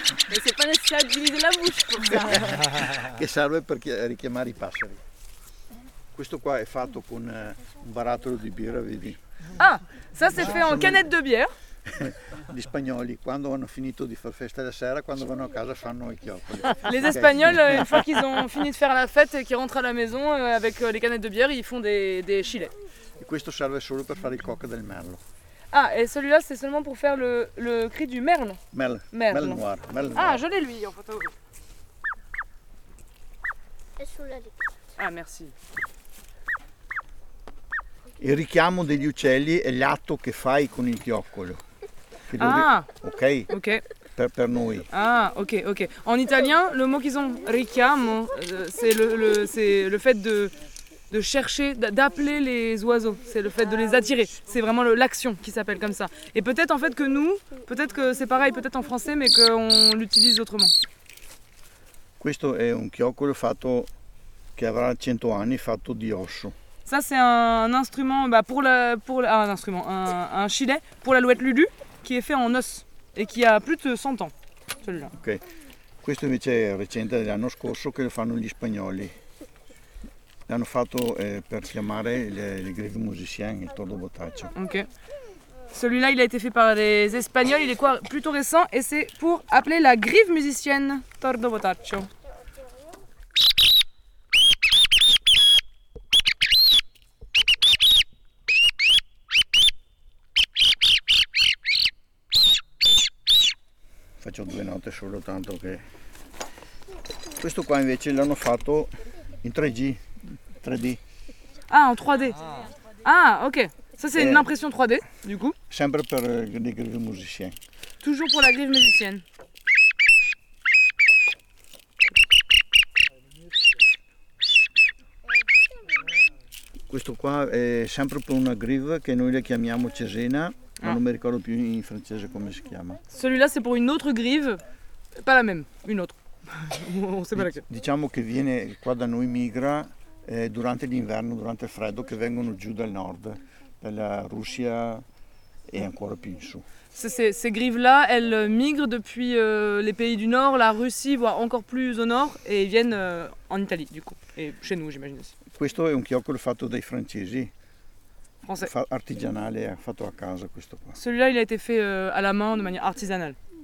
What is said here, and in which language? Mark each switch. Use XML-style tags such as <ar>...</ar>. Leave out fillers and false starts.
<fr>Mais c'est pas nécessaire d'utiliser la bouche pour ça.</fr> <it>Che serve per richiamare i passeri. Questo qua è fatto con un barattolo di birra, vedi?</it> <fr>Ah, ça c'est fait en canette de bière.</fr> <it>Gli spagnoli quando hanno finito di far festa la sera, quando vanno a casa fanno i chiocoli.</it> <fr>Les espagnols une fois qu'ils ont fini de faire la fête et qu'ils rentrent à la maison avec les canettes de bière, ils font des chilets.</fr> <it>E questo serve solo per fare il coq del merlo.</it> <fr>Ah, et celui-là c'est seulement pour faire le cri du merle. Merle noir, merle noir. Ah, je l'ai lui en photo. Ah, merci.</fr> <it>Il richiamo degli uccelli è l'atto che fai con il chioccolo. Ok. Per noi.</it> <fr>Ah, ok. En italien, le mot qu'ils ont, richiamo, c'est le fait de chercher, d'appeler les oiseaux. C'est le fait de les attirer. C'est vraiment l'action qui s'appelle comme ça. Et peut-être en fait que nous, peut-être que c'est pareil, peut-être en français, mais qu'on l'utilise autrement.</fr> <it>Questo è un chioccolo fatto che avrà 100 anni, fatto di osso.</it> <fr>Ça c'est un instrument, un chilet pour l'alouette Lulu qui est fait en os et qui a plus de 100 ans, celui-là. Ok.</fr> <it>Questo invece è recente dell'anno scorso che lo fanno gli spagnoli. L'hanno fatto per chiamare</it> <fr>les grecs musiciens,</fr> <it>il tordo botaccio. Ok.</it> <fr>Celui-là, il a été fait par les Espagnols, il est quoi, plutôt récent, et c'est pour appeler la grive musicienne Tordo Botaccio.</fr> <it>Faccio due note solo, tanto che... Questo qua invece l'hanno fatto in 3D.</it> <fr>Ah, en 3D. Ah, ok. Ça, c'est une impression 3D, du coup.</fr> <it>Sempre per</it> <fr>le grive musicien. Toujours pour la grive musicienne.</fr> <it>Questo qua è sempre per una grive che noi la chiamiamo Cesena, ma non mi ricordo più in francese come si chiama.</it> <fr>Celui-là, c'est pour une autre grive, pas la même, une autre. On sait pas laquelle.</fr> <it>Diciamo che viene qua da noi, migra durante l'inverno, durante il freddo, che vengono giù dal nord.</it> <fr>La Russie est encore plus en dessous. Ces grives-là, elles migrent depuis les pays du nord, la Russie, voire encore plus au nord, et viennent en Italie, du coup, et chez nous, j'imagine.</fr> <it>Questo è un chiocolo fatto dai francesi.</it> <fr>Français.</fr> <it>Artigianale, fatto a casa, questo qua.</it> <fr>Celui-là, il a été fait à la main, de manière artisanale.</fr>